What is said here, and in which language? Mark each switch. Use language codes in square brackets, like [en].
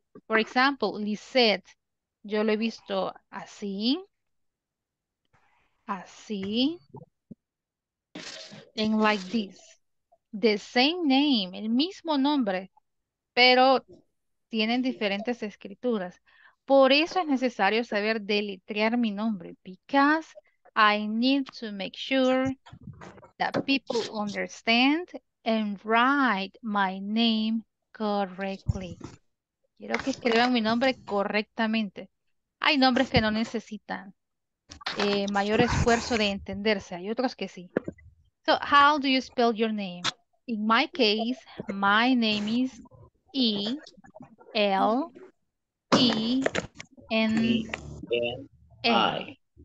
[es] Por ejemplo, Lisette, yo lo he visto así. Así. [en] And like this. The same name, [es] el mismo nombre, pero tienen diferentes escrituras. Por eso es necesario saber deletrear mi nombre. [en] Because I need to make sure that people understand and write my name correctly. [es] Quiero que escriban mi nombre correctamente. Hay nombres que no necesitan mayor esfuerzo de entenderse. Hay otros que sí. [en] So, how do you spell your name? In my case, my name is E L E N A.